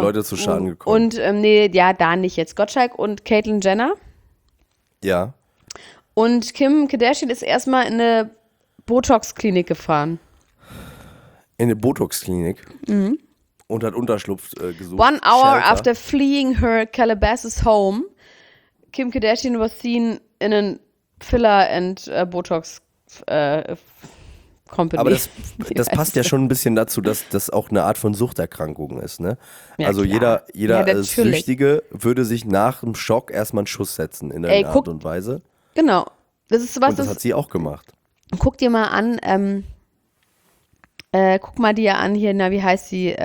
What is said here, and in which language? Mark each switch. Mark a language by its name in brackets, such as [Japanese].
[German] Leute zu Schaden gekommen. Und nee, ja, da nicht jetzt. Gottschalk und Caitlyn Jenner. Ja. Und Kim Kardashian ist erstmal in eine Botox-Klinik gefahren. In eine Botox-Klinik? Mhm. Und hat Unterschlupf gesucht. [English] One hour Shelter. After fleeing her Calabasas home, Kim Kardashian was seen in a filler and Botox Company. [German] Aber das passt ja schon ein bisschen dazu, dass das auch eine Art von Suchterkrankung ist, ne? Ja, also klar. Jeder ja, Süchtige würde sich nach dem Schock erstmal einen Schuss setzen in einer Art und Weise. Genau. Das ist was, und das hat sie auch gemacht. Guck dir mal an, guck mal dir an hier, na, wie heißt sie?